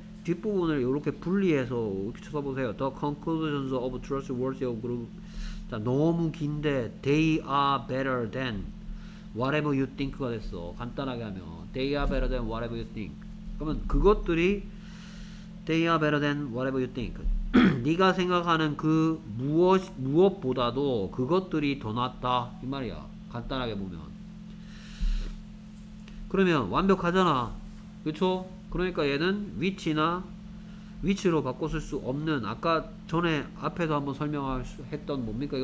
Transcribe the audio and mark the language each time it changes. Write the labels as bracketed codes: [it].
[ko] 뒷부분을 이렇게 분리해서 이렇게 쳐다보세요. [en] The conclusions of trustworthy of group. [ko] 자, 너무 긴데 [en] they are better than whatever you think [ko] 가 됐어. 간단하게 하면 [en] they are better than whatever you think. [ko] 그러면 그것들이 [en] they are better than whatever you think. [ko] 네가 생각하는 그 무엇보다도 그것들이 더 낫다 이 말이야. 간단하게 보면 그러면 완벽하잖아, 그쵸? 그러니까 얘는 위치나 위치로 바꿨을 수 없는, 아까 전에 앞에도 한번 설명했던 뭡니까?